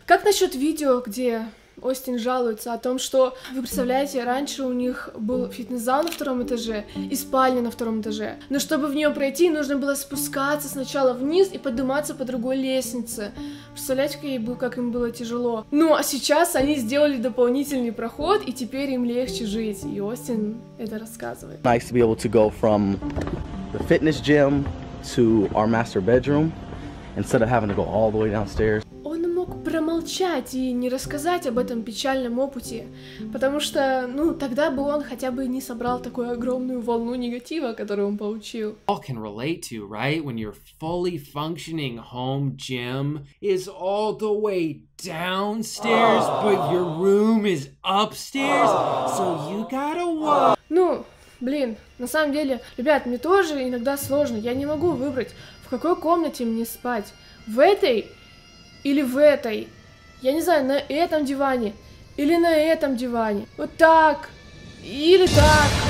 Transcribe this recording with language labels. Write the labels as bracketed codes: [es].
[ru] Как насчет видео, где Остин жалуется о том, что, вы представляете, раньше у них был фитнес-зал на втором этаже и спальня на втором этаже, но чтобы в нее пройти, нужно было спускаться сначала вниз и подниматься по другой лестнице. Представляете, как им было тяжело. Ну, а сейчас они сделали дополнительный проход, и теперь им легче жить, и Остин это рассказывает. [en] Nice to be able to go from the fitness gym to our master bedroom. Instead of having to go all the way downstairs. [ru] Он мог промолчать и не рассказать об этом печальном опыте, потому что, ну, тогда бы он хотя бы не собрал такую огромную волну негатива, которую он получил. [en] All can relate to, right? When your fully functioning home gym is all the way downstairs, but your room is upstairs, so you gotta walk. [ru] Ну, блин, на самом деле, ребят, мне тоже иногда сложно, я не могу выбрать, в какой комнате мне спать? В этой или в этой? Я не знаю, на этом диване или на этом диване? Вот так или так?